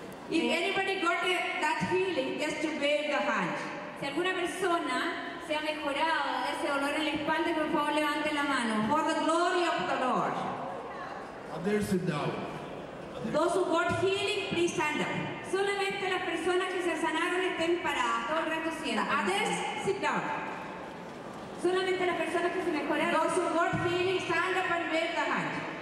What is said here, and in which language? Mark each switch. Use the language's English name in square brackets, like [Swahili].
[English] If anybody got that healing, just to wave the hand. [Spanish] Si alguna persona se ha mejorado de ese dolor en la espalda, por favor levante la mano. [English] For the glory of the Lord. Others sit down. Those who got healing, please stand up. [Spanish] Solamente las personas que se sanaron estén paradas. Todo el resto sienta. [English] Others sit down. [Spanish] Solamente las personas que se mejoraron. [English] Those who got healing, stand up and wave the hand.